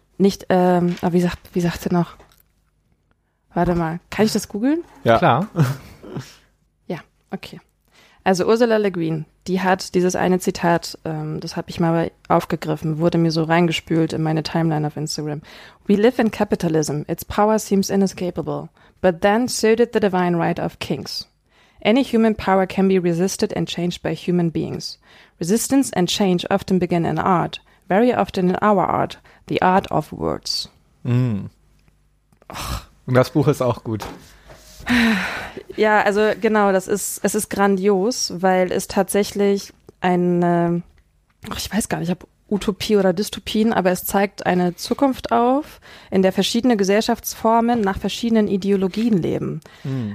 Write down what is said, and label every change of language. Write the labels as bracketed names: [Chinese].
[German] Nicht, aber wie sagt sie noch? Warte mal, kann ich das googeln? Ja. Klar. Ja, okay. Also Ursula Le Guin, die hat dieses eine Zitat, das habe ich mal aufgegriffen, wurde mir so reingespült in meine Timeline auf Instagram. [English] We live in capitalism. Its power seems inescapable. But then so did the divine right of kings. Any human power can be resisted and changed by human beings. Resistance and change often begin in art. Very often in our art, the art of words. Mm. [German] Und das Buch ist auch gut. Ja, also genau, es ist grandios, weil es tatsächlich eine, ich weiß gar nicht, ob Utopie oder Dystopien, aber es zeigt eine Zukunft auf, in der verschiedene Gesellschaftsformen nach verschiedenen Ideologien leben. Mm.